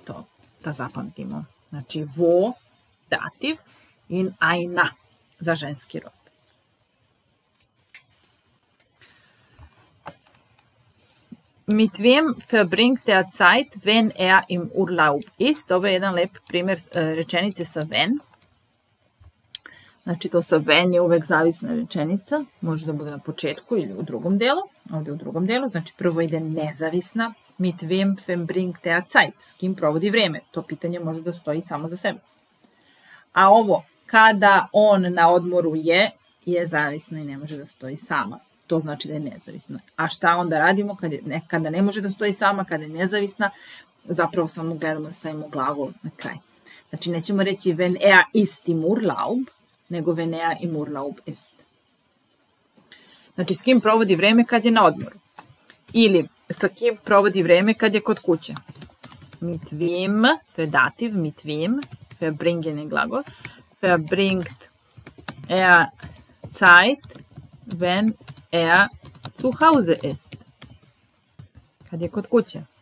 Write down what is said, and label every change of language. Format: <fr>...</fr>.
<sr>To, da zapamtimo. Znači, wo, dativ, in einer, za ženski rod.</sr> <de>Mit wem verbringt er Zeit, wenn er im Urlaub ist?</de> <sr>Ovo je jedan lep primjer rečenice sa wenn. Znači, to sa wenn je uvek zavisna rečenica. Može da bude na početku ili u drugom delu. Ovdje u drugom delu. Znači, prvo ide nezavisna.</sr> <de>Mit wem verbringt er Zeit?</de> <sr>S kim provodi vreme? To pitanje može da stoji samo za sebe. A ovo, kada on na odmoru je, je zavisna i ne može da stoji sama. To znači da je nezavisna. A šta onda radimo kada ne može da stoji sama, kada je nezavisna? Zapravo samo gledamo da stavimo glagol na kraj. Znači, nećemo reći</sr> <de>wenn er ist im Urlaub,</de> <sr>nego</sr> <de>wenn er im Urlaub ist.</de> <sr>Znači, s kim provodi vreme kad je na odmoru? Ili sa kim provodi vreme kad je kod kuće?</sr> <de>Mit wem, to je dativ, mit wem, verbringen je glagol, verbringt er Zeit, wenn er zu Hause ist.</de> <sr>Kad je kod kuće.</sr>